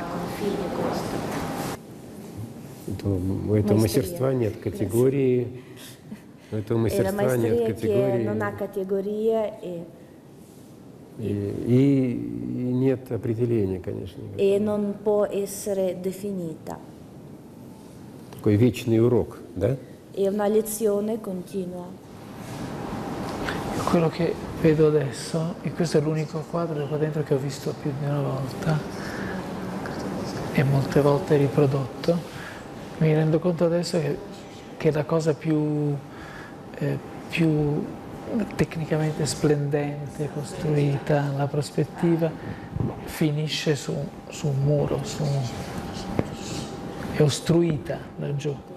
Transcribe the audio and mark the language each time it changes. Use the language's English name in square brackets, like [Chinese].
[Italian] maestranza senza confini costa. [Russian] У этого мастерства нет категории. [Italian] Non ha categoria [Russian] и нет определения, конечно. [Italian] E non può essere definita. [Russian] Такой вечный урок, да? [Italian] È una lezione continua. Quello che vedo adesso, e questo è l'unico quadro qua dentro che ho visto più di una volta e molte volte riprodotto, mi rendo conto adesso che la cosa più tecnicamente splendente, costruita, la prospettiva, finisce su un muro, è ostruita laggiù.